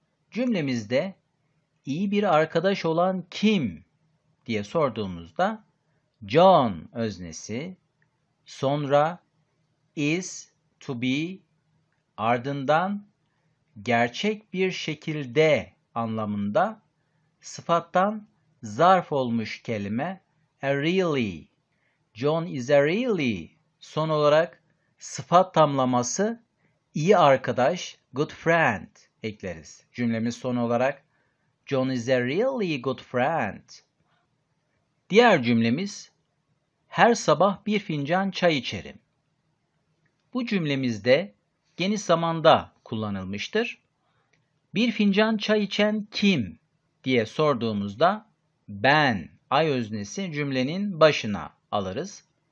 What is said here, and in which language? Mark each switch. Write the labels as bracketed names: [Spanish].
[Turkish] Cümlemizde, iyi bir arkadaş olan kim diye sorduğumuzda, John öznesi, sonra [English] is to be, [Turkish] ardından gerçek bir şekilde anlamında sıfattan zarf olmuş kelime [English] a really. John is a really. [Turkish] Son olarak sıfat tamlaması iyi arkadaş, [English] good friend [Turkish] ekleriz. Cümlemiz son olarak [English] John is a really good friend. [Turkish] Diğer cümlemiz her sabah bir fincan çay içerim. Bu cümlemizde geniş zamanda kullanılmıştır. Bir fincan çay içen kim diye sorduğumuzda ben, I öznesi cümlenin başına alırız.